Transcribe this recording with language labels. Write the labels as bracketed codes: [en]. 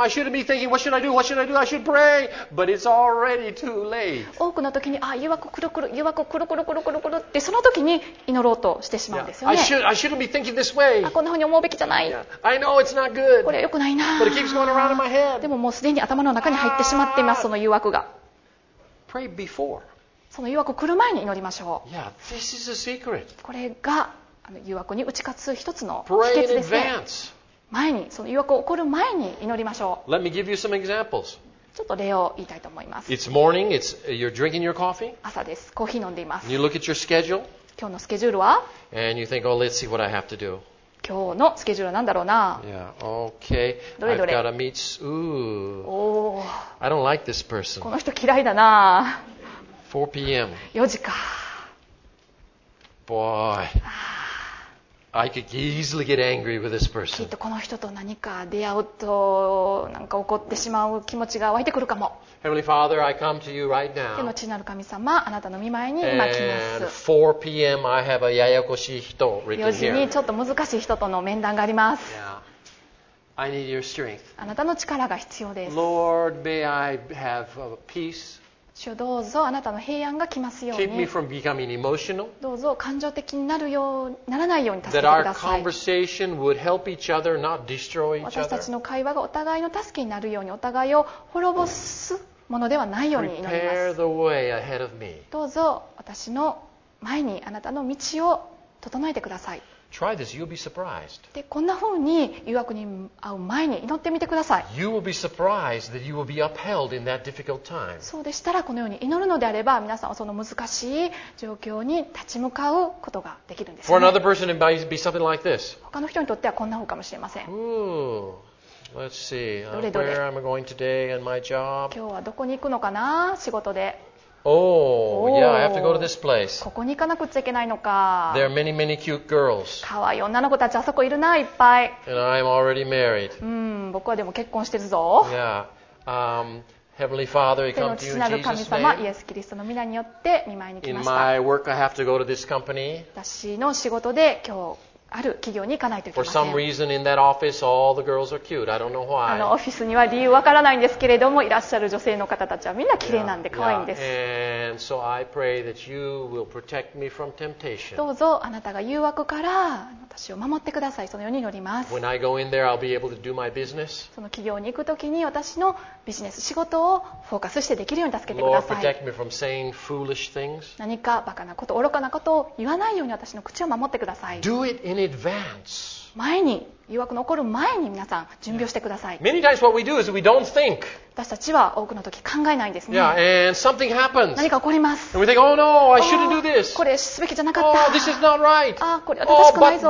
[en] I shouldn't be thinking, what should I do? What should I do? I should pray. But it's already too late. [ja] 多くの時に、誘惑くるくる、誘惑くるくるくるくるくるって、その時に祈ろうとしてしまうんですよね。 [en] Yeah. I shouldn't be thinking this way. [ja] こんな風に思うべきじゃない。 [en] Yeah. I know it's not good. [ja] これは良くないな。 [en] But it keeps going around in my head. [ja] でももうすでに頭の中に入ってしまっています、その誘惑が。 [en] Pray before. [ja] その誘惑来る前に祈りましょう。 [en] Yeah, this is a secret. [ja] これが誘惑に打ち勝つ一つの秘訣ですね。 [en] Pray in advance. [ja] 前にその誘惑が起こる前に祈りましょう。 [en] Let me give you some examples. [ja] ちょっと例を言いたいと思います。 [en] It's morning. It's you're drinking your coffee. [ja] 朝です。コーヒー飲んでいます。 [en] You look at your schedule. [ja] 今日のスケジュールは？ [en] And you think, oh, let's see what I have to do. [ja] 今日のスケジュールは何だろうな。 [en] Yeah. Okay. [ja] どれどれ。 [en] I've got to meet. Ooh. I don't like this person. [ja] この人嫌いだな。 [en] 4 p.m. [ja] 4時か。 [en] Boy. I could easily get angry with this person. [ja] きっとこの人と何か出会うとなんか怒ってしまう気持ちが湧いてくるかも。 [en] Heavenly Father, I come to you right now. [ja] 天の父なる神様、あなたの御前に今来ます。 [en] And 4 p.m. I have a [ja] ややこしい人 [en] written here. 4 [ja] 時にちょっと難しい人との面談があります。 [en] Yeah. I need your strength. [ja] あなたの力が必要です。 [en] Lord, may I have a peace. [ja] 主よ、どうぞあなたの平安が来ますように。 [en] Keep me from becoming emotional. [ja] どうぞ感情的にな ならないように助けてください。 [en] That our conversation would help each other, not destroy each other. [ja] 私たちの会話がお互いの助けになるように、お互いを滅ぼすものではないように祈ります。 [en] Prepare the way ahead of me. [ja] どうぞ私の前にあなたの道を整えてください。 [en] Try this, you'll be surprised. [ja] で、こんな風に誘惑に会う前に祈ってみてください。 [en] You will be surprised that you will be upheld in that difficult time. [ja] そうでしたら、このように祈るのであれば、皆さんはその難しい状況に立ち向かうことができるんですね。 [en] For another person, it might be something like this. [ja] 他の人にとってはこんな方かもしれません。 [en] Ooh, let's see. [ja] どれどれ。 [en] Where am I going today and my job? [ja] 今日はどこに行くのかな、仕事で。 [en] Oh, yeah, I have to go to this place. [ja] ここに行かなくちゃいけないのか。 [en] There are many, many cute girls. [ja] かわいい女の子たちあそこいるな、いっぱい。 [en] And I'm already married. [ja] うん、僕はでも結婚してるぞ。 [en] Yeah. Heavenly Father, we come to you in Jesus' name. [ja] 天の父なる神様、イエス・キリストの御名によって御前に来ました。 [en] In my work, I have to go to this company. [ja] 私の仕事で今日。ある企業に行かないといけません。 [en] For some reason in that office, all the girls are cute. I don't know why. [ja] あのオフィスには理由わからないんですけれども、いらっしゃる女性の方たちはみんな綺麗なんで可愛いんです。 [en] And so I pray that you will protect me from temptation. [ja] どうぞあなたが誘惑から私を守ってください。そのように祈ります。 [en] When I go in there, I'll be able to do my business. [ja] その企業に行くときに私のビジネス仕事をフォーカスしてできるように助けてください。 [en] Lord, protect me from saying foolish things. [ja] 何かバカなこと、愚かなことを言わないように私の口を守ってください。 [en] Do it in advance. [ja] 前に誘惑の起こる前に皆さん準備をしてください。 [en] Many times what we do is we don't think. [ja] 私たちは多くの時考えないんですね。 [en] Yeah, and something happens. [ja] 何か起こります。 [en] And we think, oh no, I shouldn't do this. [ja] これすべきじゃなかった。 [en] Oh, this is not right. [ja] あ、これは正しくないぞ。